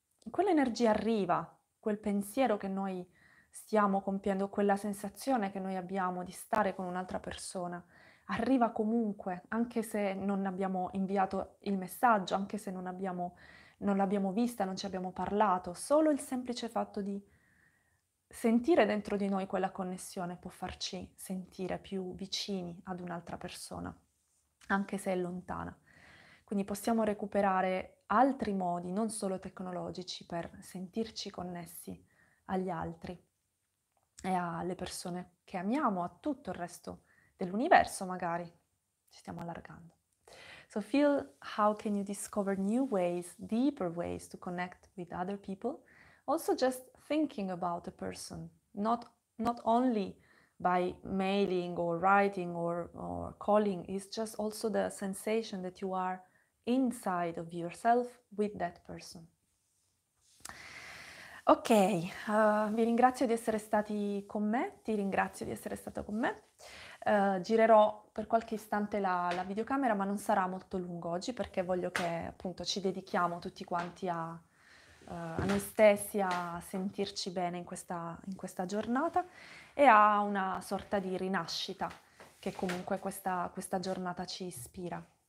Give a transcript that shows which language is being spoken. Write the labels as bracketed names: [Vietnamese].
[Italian] Quell'energia arriva, quel pensiero che noi stiamo compiendo, quella sensazione che noi abbiamo di stare con un'altra persona, arriva comunque, anche se non abbiamo inviato il messaggio, anche se non l'abbiamo vista, non ci abbiamo parlato, solo il semplice fatto di sentire dentro di noi quella connessione può farci sentire più vicini ad un'altra persona, anche se è lontana. Quindi possiamo recuperare altri modi, non solo tecnologici, per sentirci connessi agli altri e alle persone che amiamo, a tutto il resto dell'universo, magari. Ci stiamo allargando. [English] So, Phil, how can you discover new ways, deeper ways to connect with other people? Also, just thinking about a person, not only by mailing or writing or calling, it's just also the sensation that you are inside of yourself with that person. [Italian] Ok, vi ringrazio di essere stati con me, ti ringrazio di essere stato con me. Girerò per qualche istante la videocamera, ma non sarà molto lungo oggi perché voglio che appunto ci dedichiamo tutti quanti a noi stessi, a sentirci bene in questa giornata e a una sorta di rinascita che comunque questa giornata ci ispira.